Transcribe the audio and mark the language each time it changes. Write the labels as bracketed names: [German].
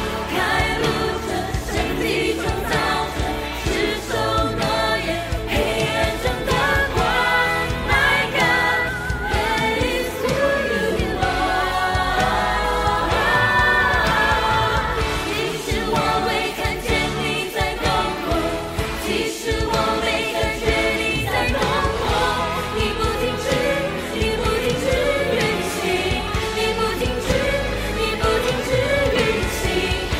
[Chinese] 开路者，神迹创造者，执手诺言，黑暗中的光。 [English] My God, that is who you are. [Chinese] 即使我未看见你在动工，即使我没感觉你在动工，你不停止，你不停止运行，你不停止，你不停止运行。